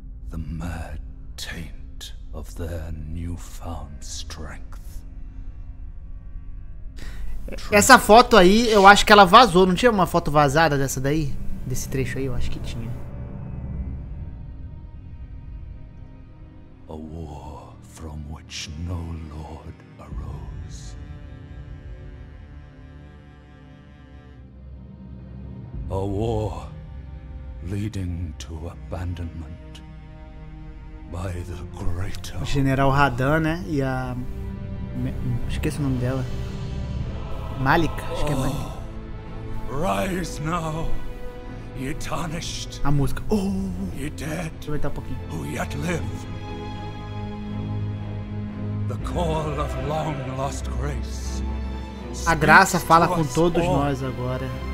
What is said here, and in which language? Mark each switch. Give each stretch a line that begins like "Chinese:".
English: The mad taint of their newfound strength.
Portuguese: Essa foto aí, eu acho que ela vazou. Não tinha uma foto vazada dessa daí? Desse trecho aí, eu acho que tinha.
English: A war from which no lord arose. A war leading to abandonment. By the greater.
Portuguese: General Radahn, né? E a... Esqueço o nome dela. Malika, acho que é Malika.
English: Rise now, ye tarnished.
Portuguese: A música. Oh,
English: ye dead.
Portuguese: Deixa eu aguentar um pouquinho.
English: Who yet live. The call of long lost grace.
Portuguese: A graça fala com todos nós agora.